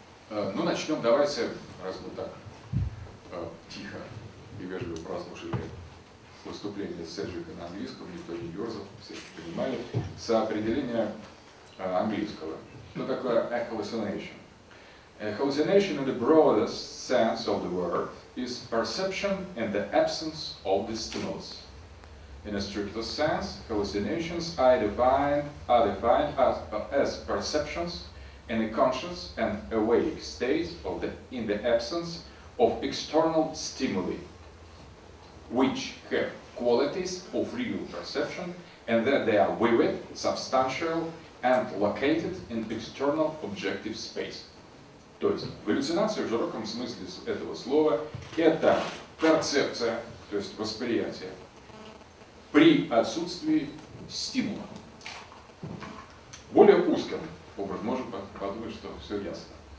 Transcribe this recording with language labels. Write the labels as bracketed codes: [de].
[ru] Ну, начнем. Давайте, раз мы так тихо и вежливо прослушали выступление Седжика на английском, никто не ерзал, все понимали, соопределение английского. Что такое [en] a hallucination? A hallucination in the broadest sense of the word is perception in the absence of the stimulus. In a stricter sense, hallucinations are defined as perceptions in a conscious and awake state of the in the absence of external stimuli, which have qualities of real perception, and that they are vivid, substantial, and located in external objective space. [ru] То есть галлюцинация в широком смысле этого слова – это перцепция, то есть восприятие, при отсутствии стимула. Более узким образом, можно подумать, что все ясно.